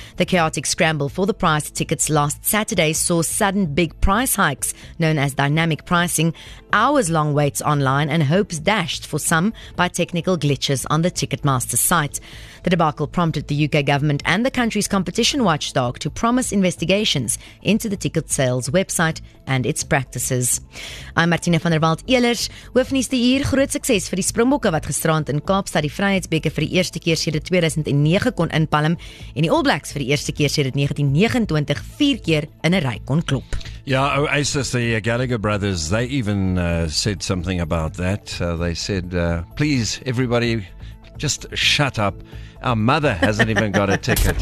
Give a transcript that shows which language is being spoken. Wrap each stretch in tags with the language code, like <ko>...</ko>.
<en>The chaotic scramble for the prize tickets last Saturday saw sudden big price hikes, known as dynamic pricing, hours-long waits online and hopes dashed for some by technical glitches on the Ticketmaster site. The debacle prompted the UK government and the country's competition watchdog to promise investigations into the ticket sales website and its practices. I'm Martina van der Walt Eilers.</en> <af>Hoofnuus die uur, groot sukses vir die Springbokke wat gisterand in Kaapstad die Vryheidsbeker vir die eerste keer sedert 2009 kon inpalm en die All Blacks vir die eerste keer sedert 1929 vier keer in 'n ry kon klop.</af> <en>Yeah, Oasis, the Gallagher brothers, they even said something about that. They said, please, everybody, just shut up. Our mother hasn't even got a ticket.</en>